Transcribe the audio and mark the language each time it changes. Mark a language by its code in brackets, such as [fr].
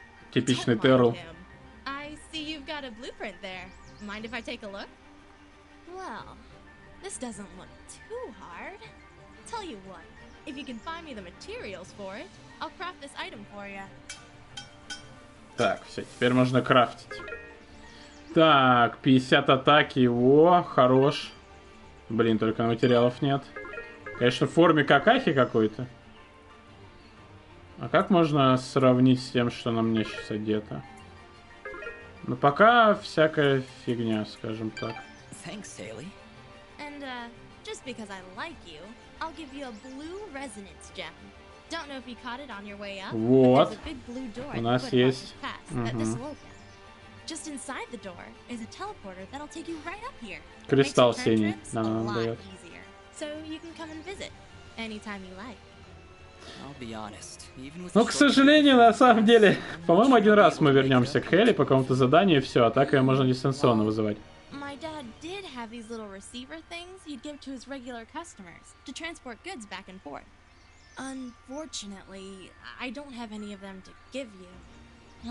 [en] Typical Terrell. I see you've got a blueprint there. Mind if I take a look? Well, this doesn't look too hard. Tell you what, if you can find me the materials for it, I'll craft this item for ya. [ru] Так, все, теперь можно крафтить. Так, 50 атаки, во, хорош. Блин, только материалов нет. Конечно, в форме какахи какой-то. А как можно сравнить с тем, что на мне сейчас одето? Ну, пока всякая фигня, скажем так. [en] Thanks, Haley. And, just because I like you, I'll give you a blue resonance gem. Don't know if you caught it on your way up. [ru] Вот, у нас есть... Угу. [en] Just inside the door is a teleporter that'll take you right up here. [ru] Кристалл синий. Да, да, да. [en] So you can come and visit anytime you like. I'll be honest. Even with [ru] Ну, к сожалению, на самом деле, по-моему, один раз мы вернемся к Хейли по какому-то заданию и все, а так ее можно дистанционно вызывать. [en] My dad did have these little receiver things he'd give to his regular customers to transport goods back and forth. Unfortunately, I don't have any of them to give you.